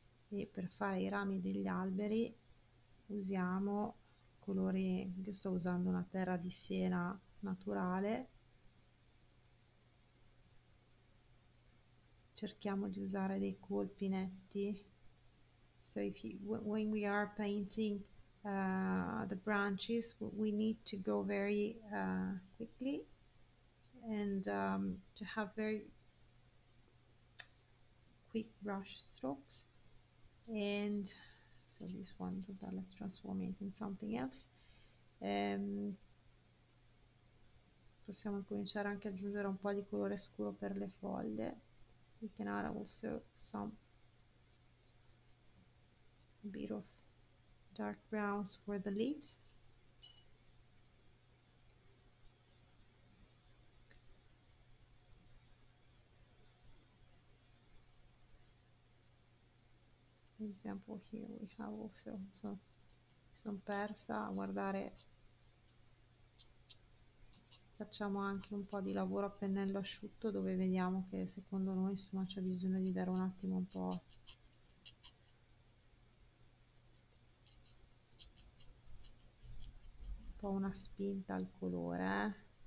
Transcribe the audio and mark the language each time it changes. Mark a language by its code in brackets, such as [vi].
[it] E per fare i rami degli alberi usiamo colori, io sto usando una terra di siena naturale, cerchiamo di usare dei colpi netti. [en] So if you, when we are painting the branches, we need to go very quickly and to have very quick brush strokes. And so this one that let's transform it in something else. [it] Possiamo cominciare anche ad aggiungere un po' di colore scuro per le foglie. [en] We can add also some bit of dark browns for the leaves. Example here we have also some persa. [it] Guardare, facciamo anche un po' di lavoro a pennello asciutto, dove vediamo che secondo noi insomma c'è bisogno di dare un attimo un po' una spinta al colore.